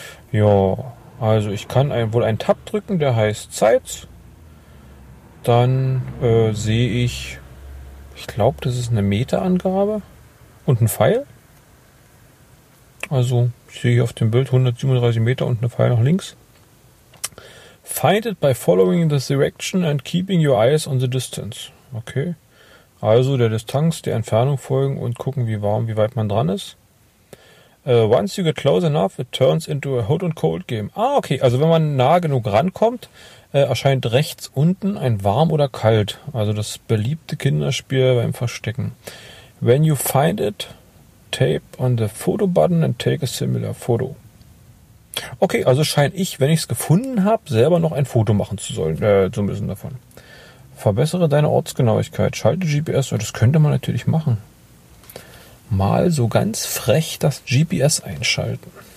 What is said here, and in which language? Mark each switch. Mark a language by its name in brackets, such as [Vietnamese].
[German] Ja, also ich kann wohl einen Tab drücken, der heißt Sites. Dann sehe ich, glaube, das ist eine Meterangabe und ein Pfeil. Also ich sehe hier auf dem Bild 137 Meter und eine Pfeil nach links. [English] Find it by following the direction and keeping your eyes on the distance. [German] Okay, also der Distanz, der Entfernung folgen und gucken, wie weit man dran ist. [English] Once you get close enough, it turns into a hot and cold game. [German] Ah, okay. Also wenn man nah genug rankommt, erscheint rechts unten ein Warm oder Kalt, also das beliebte Kinderspiel beim Verstecken. [English] When you find it, tape on the photo button and take a similar photo. [German] Okay, also scheine ich, wenn ich es gefunden habe, selber noch ein Foto machen zu sollen, zu müssen davon. Verbessere deine Ortsgenauigkeit, schalte GPS, das könnte man natürlich machen. Mal so ganz frech das GPS einschalten.